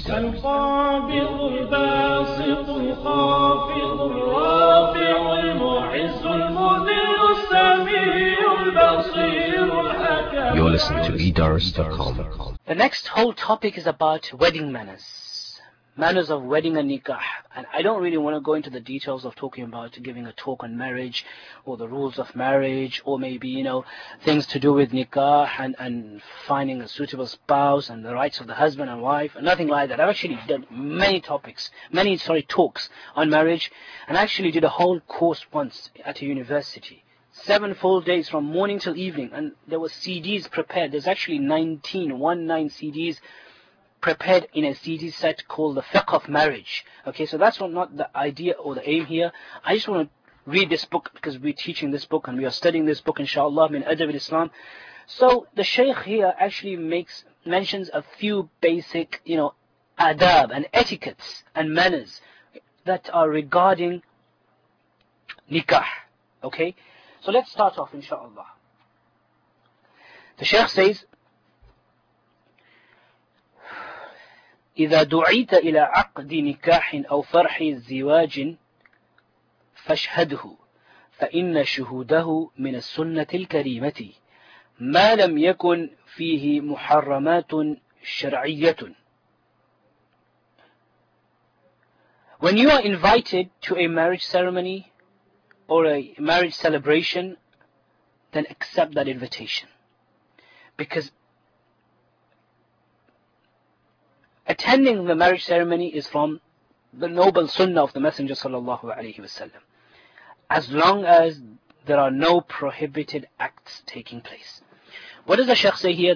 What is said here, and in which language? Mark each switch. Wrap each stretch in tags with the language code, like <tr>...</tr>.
<ar>القابض الباسط الخافض الرافع المعز المذل السميع البصير الحكيم.</ar> <en>You're listening to Eidars.com. The next whole topic is about wedding manners. Manners of wedding and nikah, and I don't really want to go into the details of talking about giving a talk on marriage or the rules of marriage or maybe, you know, things to do with nikah and finding a suitable spouse and the rights of the husband and wife, nothing like that. I've actually done many talks on marriage, and I actually did a whole course once at a university. 7 full days from morning till evening, and there were CDs prepared. There's actually 19 CDs prepared in a CD set called The Fiqh of Marriage. Okay, so that's not the idea or the aim here. I just want to read this book because we're teaching this book and we are studying this book, inshallah, in Adab al-Islam. So the Shaykh here actually mentions a few basic, you know, adab and etiquettes and manners that are regarding nikah. Okay, so let's start off, inshallah. The Shaykh says,</en> <ar>إذا دعيت إلى عقد نكاح أو فرح الزواج فاشهده فإن شهوده من السنة الكريمة ما لم يكن فيه محرمات شرعية.</ar> <en>When you are invited to a marriage ceremony or a marriage celebration, then accept that invitation, because attending the marriage ceremony is from the noble sunnah of the Messenger sallallahu alaihi wasallam, as long as there are no prohibited acts taking place. What does the Shaykh say here?</en>